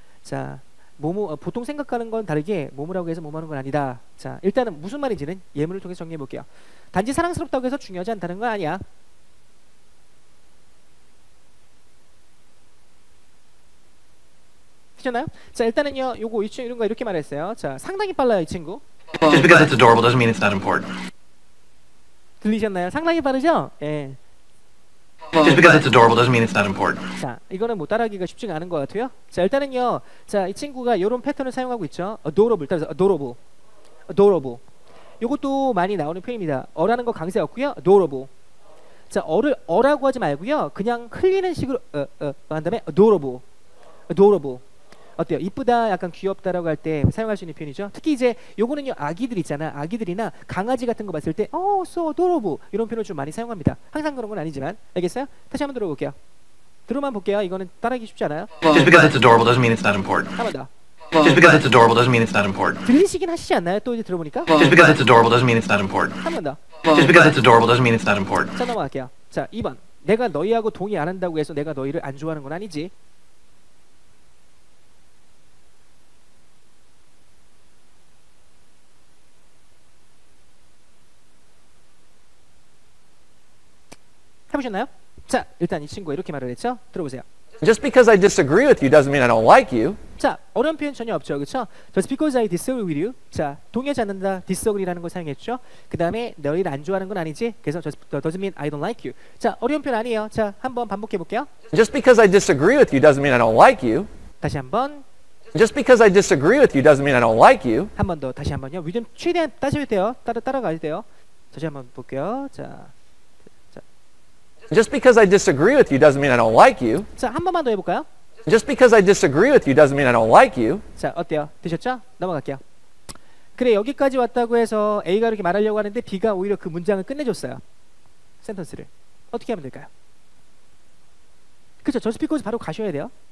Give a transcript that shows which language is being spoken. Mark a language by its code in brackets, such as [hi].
[ko] 자 뭐뭐 보통 생각하는 건 다르게 뭐뭐라고 해서 뭐뭐하는 건 아니다. 자 일단은 무슨 말인지는 예문을 통해서 정리해 볼게요. 단지 사랑스럽다고 해서 중요하지 않다는 건 아니야. 괜찮아요? 자 일단은요 요거 이 친구 이런 거 이렇게 말했어요. 자 상당히 빨라요 이 친구. [en] Just because it's adorable doesn't mean it's not important. [ko] 들리셨나요? 상당히 빠르죠? 예. [en] Just because it's adorable doesn't mean it's not important. [ko] 자, 이거는 뭐 따라하기가 쉽지가 않은 것 같아요. 자, 일단은요. 자, 이 친구가 이런 패턴을 사용하고 있죠. [en] Adorable, [ko] 따라서 [en] adorable, adorable. [ko] 이것도 많이 나오는 표현입니다. 어라는 거 강세 없고요. Adorable. 자, 어를 어라고 하지 말고요. 그냥 흘리는 식으로 한 다음에 adorable, adorable. 어때요? 이쁘다, 약간 귀엽다라고 할 때 사용할 수 있는 표현이죠. 특히 이제 요거는요 아기들 있잖아. 아기들이나 강아지 같은 거 봤을 때 [en] oh, so adorable [ko] 이런 표현을 좀 많이 사용합니다. 항상 그런 건 아니지만. 알겠어요? 다시 한번 들어볼게요. 들어만 볼게요. 이거는 따라하기 쉽지 않아요. [en] Just because it's adorable doesn't mean it's not important. [ko] 한 번 더. [en] Just because it's adorable doesn't mean it's not important. [ko] 들리시긴 하시지 않나요? 또 이제 들어보니까? [en] Just because it's adorable doesn't mean it's not important. [ko] 한 번 더. [en] Just because it's adorable doesn't mean it's not important. [ko] 자, 넘어갈게요. 자, 2번. 내가 너희하고 동의 안 한다고 해서 내가 너희를 안 좋아하는 건 아니지. 해보셨나요? 자, 일단 이 친구가 이렇게 말을 했죠. 들어보세요. [en] Just because I disagree with you doesn't mean I don't like you. [ko] 자, 어려운 표현 전혀 없죠, 그렇죠? [en] Just because I disagree with you. [ko] 자, 동의하지 않는다, disagree라는 걸 사용했죠. 그 다음에 너희를 안 좋아하는 건 아니지. 그래서 [en] just doesn't mean I don't like you. [ko] 자, 어려운 표현 아니에요. 자, 한번 반복해 볼게요. [en] Just because I disagree with you doesn't mean I don't like you. [ko] 다시 한번. [en] Just because I disagree with you doesn't mean I don't like you. [ko] 한번 더, 다시 한번요. 위드 최대한 따셔도 돼요. 따라가도 돼요. 다시 한번 볼게요. 자. [en] Just because I disagree with you doesn't mean I don't like you. [ko] 자, 한 번만 더 해볼까요? [en] Just because I disagree with you doesn't mean I don't like you. [ko] 자, 어때요? 되셨죠? 넘어갈게요. 그래, 여기까지 왔다고 해서 A가 이렇게 말하려고 하는데 B가 오히려 그 문장을 끝내줬어요. 센텐스를. 어떻게 하면 될까요? 그렇죠, just because 바로 가셔야 돼요.